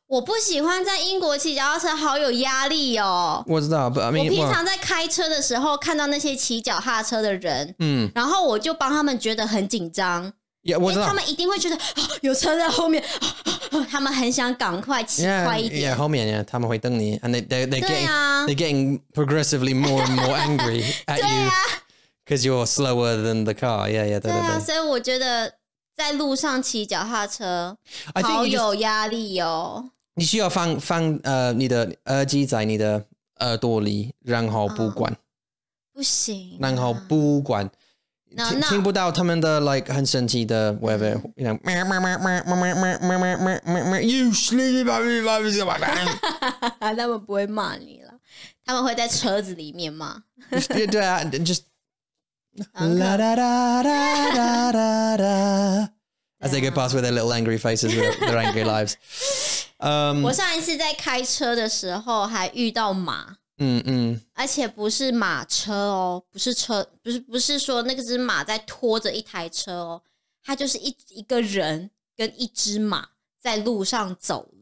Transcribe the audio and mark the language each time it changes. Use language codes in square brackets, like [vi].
[zh] 我不喜欢在英国骑脚踏车好有压力哦我知道 [en] but I mean, [zh] 我平常在开车的时候看到那些骑脚踏车的人、嗯、然后我就帮他们觉得很紧张 yeah, 我知道他们一定会觉得、啊、有车在后面、啊啊、他们很想赶快骑快一点 [en] yeah, yeah, 后面 yeah, [zh] 他们会瞪你 [en] and they're getting progressively more and more angry at you [zh] 对啊 [en] Because you're slower than the car, yeah, yeah, 对 [zh] 啊，对所以我觉得在路上骑脚踏车好有压力哦。你需要放你的耳机在你的耳朵里，然后不管，嗯、不行、啊，然后不管 [en] no, [zh] 听不到他们的 like 很神奇的 whatever， 那么么么么么么么么么么么么 ， [en] you sleepy baby baby， [zh] 他们不会骂你了，他们会在车子里面骂。 [en] 对啊 ，just。La da da da da da da. As they go past with their little angry faces, with their angry lives. [zh] 我上一次在开车的时候还遇到马。而且不是马车哦，不是车，不是说那个只马在拖着一台车哦，它就是一个人跟一只马在路上走路。